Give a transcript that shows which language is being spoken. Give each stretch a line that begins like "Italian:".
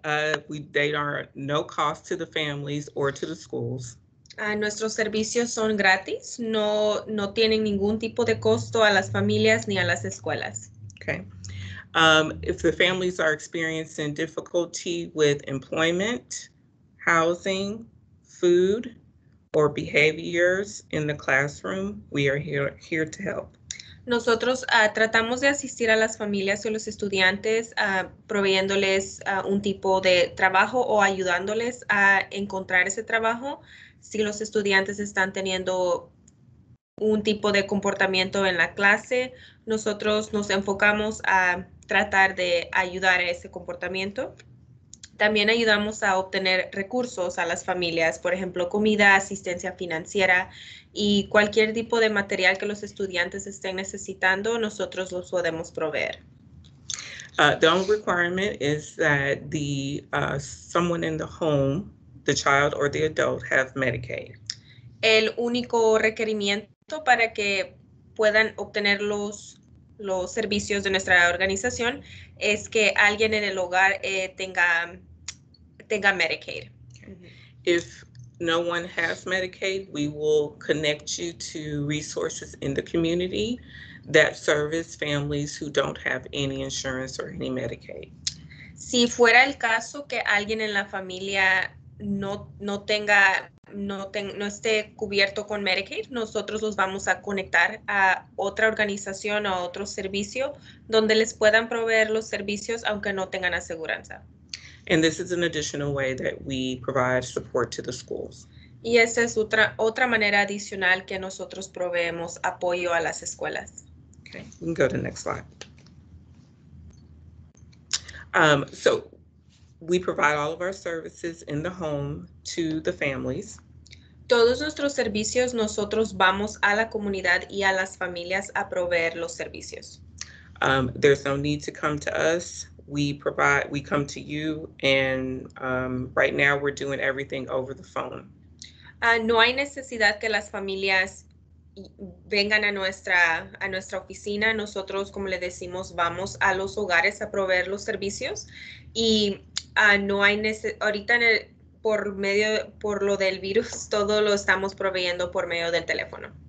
English: They are no cost to the families or to the schools.
Spanish: Nuestros servicios son gratis. No tienen ningún tipo de costo a las familias ni a las escuelas.
English: Okay. If the families are experiencing difficulty with employment, housing, food, or behaviors in the classroom, we are here to help.
Spanish: Nosotros tratamos de asistir a las familias y los estudiantes proveyéndoles un tipo de trabajo o ayudándoles a encontrar ese trabajo si los estudiantes están teniendo un tipo de comportamiento en la clase. Nosotros nos enfocamos a tratar de ayudar a ese comportamiento. También ayudamos a obtener recursos a las familias, por ejemplo, comida, asistencia financiera y cualquier tipo de material que los estudiantes estén necesitando, nosotros los podemos proveer.
English: The only requirement is that the someone in the home, the child or the adult, have Medicaid.
Spanish: El único requerimiento para que puedan obtener los los servicios de nuestra organización es que alguien en el hogar tenga Medicaid.
English: If no one has Medicaid, we will connect you to resources in the community that service families who don't have any insurance or any Medicaid.
Spanish: Si fuera el caso que alguien en la familia no esté cubierto con Medicaid, nosotros los vamos a conectar a otra organización o a otro servicio donde les puedan proveer los servicios aunque no tengan aseguranza.
English: And this is an additional way that we provide support to the schools.
Spanish: Y esta es otra manera adicional que nosotros proveemos apoyo a las escuelas.
English: Okay, we can go to the next slide. So we provide all of our services in the home to the families.
Spanish: Todos nuestros servicios, nosotros vamos a la comunidad y a las familias a proveer los servicios.
English: There's no need to come to us. We come to you, and right now we're doing everything over the phone.
Spanish: No hay necesidad que las familias vengan a nuestra oficina. Nosotros, como le decimos, vamos a los hogares a proveer los servicios. Y no hay necesidad, ahorita por lo del virus, todo lo estamos proveyendo por medio del teléfono.